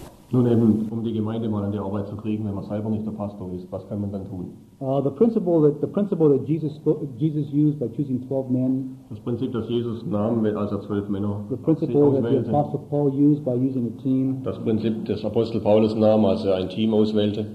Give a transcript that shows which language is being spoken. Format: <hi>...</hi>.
<de>Nun eben, um die Gemeinde mal an die Arbeit zu kriegen, wenn man selber nicht der Pastor ist, was kann man dann tun?</de> <en>The principle that Jesus used by choosing 12 men.</en> <de>Das Prinzip, das Jesus nahm, als er 12 Männer.</de> <en>The principle that the Apostle Paul used by using a team.</en> <de>Das Prinzip, das Apostel Paulus nahm, als er ein Team auswählte.</de>